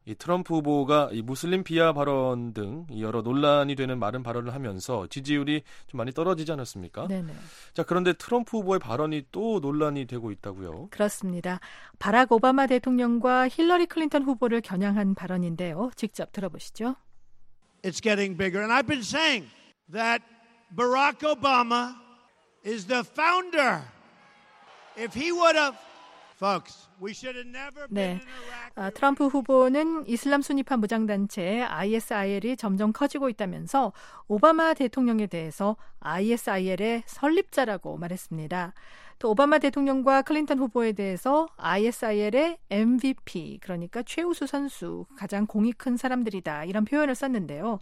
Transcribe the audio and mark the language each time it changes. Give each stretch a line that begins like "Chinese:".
Korean: 이 트럼프 후보가 이 무슬림 비하 발언 등 여러 논란이 되는 많은 발언을 하면서 지지율이 좀 많이 떨어지지 않았습니까? 네네. 자, 그런데 트럼프 후보의 발언이 또 논란이 되고 있다고요? 그렇습니다. 바락 오바마 대통령과 힐러리 클린턴 후보를 겨냥한 발언인데요. 직접 들어보시죠.
English: It's getting bigger and I've been saying that Barack Obama is the founder. If he would have Folks, we should have never been
Korean: 네,
English: in Iraq.
Korean: 트럼프 후보는 이슬람 순위파 무장단체 ISIL이 점점 커지고 있다면서 오바마 대통령에 대해서 ISIL의 설립자라고 말했습니다. 또 오바마 대통령과 클린턴 후보에 대해서 ISIL의 MVP, 그러니까 최우수 선수, 가장 공이 큰 사람들이다 이런 표현을 썼는데요.